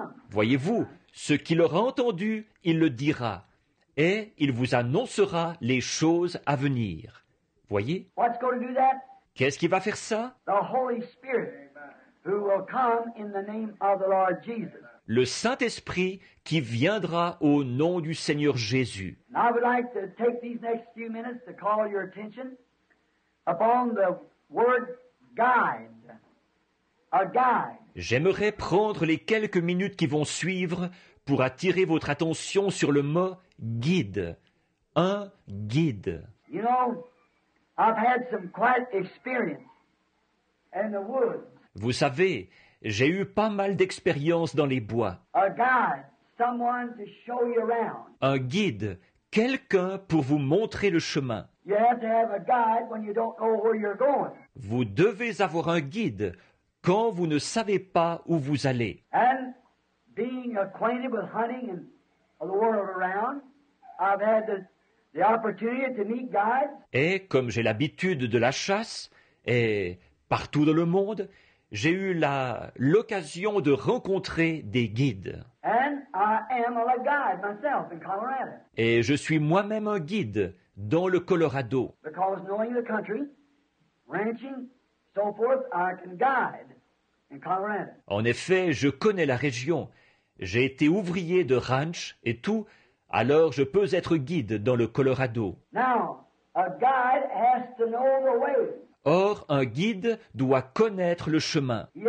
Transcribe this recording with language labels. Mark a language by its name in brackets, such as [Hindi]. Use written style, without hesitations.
[French] Voyez-vous, ce qu'il aura entendu, il le dira, et il vous annoncera les choses à venir. Voyez? [English] What's going to do that? [French] Qu'est-ce qui va faire ça? [English] The Holy Spirit. Who will come in the name of the Lord Jesus. [French] Le Saint-Esprit qui viendra au nom du Seigneur Jésus. [English] Now I would like to take these next few minutes to call your attention upon the word guide. A guide. [French] J'aimerais prendre les quelques minutes qui vont suivre pour attirer votre attention sur le mot guide. Un guide. [English] You know, I've had some quiet experience in the woods. [French] Vous savez, j'ai eu pas mal d'expériences dans les bois. [English] A guide, someone to show you around. [French] Un guide, quelqu'un pour vous montrer le chemin. [English] You have to have a guide when you don't know where you're going. [French] Vous devez avoir un guide quand vous ne savez pas où vous allez. [English] And being acquainted with hunting and the world around, I've had the opportunity to meet guides. [French] Et comme j'ai l'habitude de la chasse, et partout dans le monde, j'ai eu l'occasion de rencontrer des guides. [English] And I am a guide myself in Colorado. [French] Et je suis moi-même un guide dans le Colorado. [English] Because knowing the country, ranching, so forth, I can guide in Colorado. [French] En effet, je connais la région. J'ai été ouvrier de ranch et tout, alors je peux être guide dans le Colorado. [English] Now, a guide has to know the way. [French] Or, un guide doit connaître le chemin.